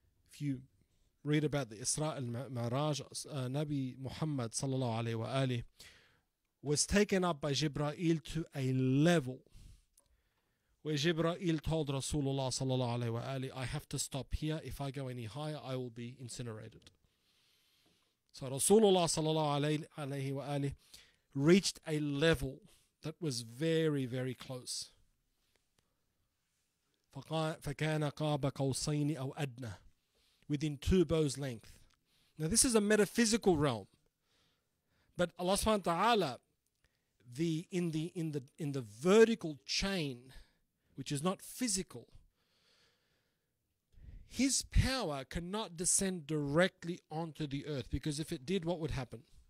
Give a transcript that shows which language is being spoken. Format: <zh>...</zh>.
<en>If you read about the Isra al-Mi'raj, Nabi Muhammad sallallahu alayhi wa alayhi was taken up by Jibreel to a level where Jibreel told Rasulullah sallallahu alayhi wa alayhi, I have to stop here. If I go any higher, I will be incinerated. So Rasulullah sallallahu alayhi wa alayhi reached a level that was very, very close.</en> <ar>فَكَانَ قَابَ قَوْسَيْنِ أَوْ أَدْنَى,</ar> <en>within two bows length. Now this is a metaphysical realm, but Allah subhanahu wa ta'ala, in the vertical chain, which is not physical, his power cannot descend directly onto the earth, because if it did, what would happen?</en>